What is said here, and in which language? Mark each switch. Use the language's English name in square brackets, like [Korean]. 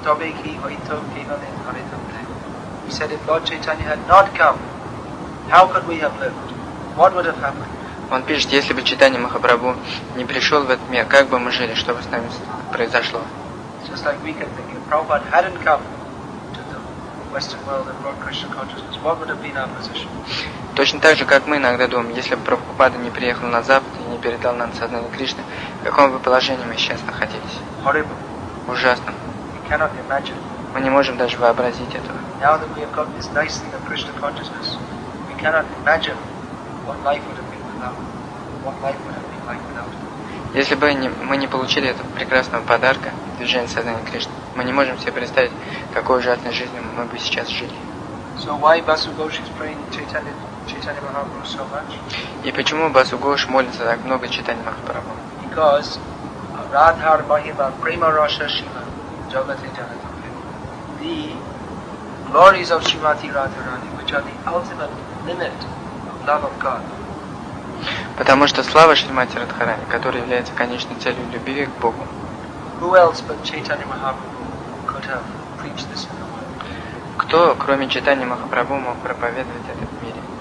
[English] He said, if Lord Chaitanya had not come, how could we have lived? What would have happened? [Russian] Он пишет, если бы Чайтанья Махапрабху не пришел в этот мир, как бы мы жили, что бы с нами произошло? [English] Just like we can think, if Prabhupada hadn't come to the Western world and brought Krishna consciousness, what would have been our position? [Russian] Точно так же, как мы иногда думаем, если бы Прабхупада не приехал на Запад и не передал нам сознание Кришны, в каком бы положении мы сейчас находились? [English] Horrible. [Russian] Ужасно. [English] We cannot imagine. [Russian] Мы не можем даже вообразить этого. [English] Now that we have got this nice thing of Krishna consciousness, we cannot imagine what life would have been without. What life would have been like without. [Russian] Если бы мы не получили этого прекрасного подарка, движение сознания Кришны, мы не можем себе представить, какой ужасной жизнью мы бы сейчас жили. [English] So why Basu Ghosh is praying Chaitanya Mahaprabhu so much? [Russian] И почему Басу Гош молится так много Чайтанья Махапрабху? [Bangla] Because Radhar Mahima Prema Rasa Shiva Jagate Janatapi. [English] The glories of Srimati Radharani, which are the ultimate limit of love of God. [Russian] Потому что слава Шримати Радхарани, которая является конечной целью любви к Богу. [English] Who else but Chaitanya Mahaprabhu could have preached this in the world? [Russian] Кто, кроме Чайтаньи Махапрабху, мог проповедовать это в мире?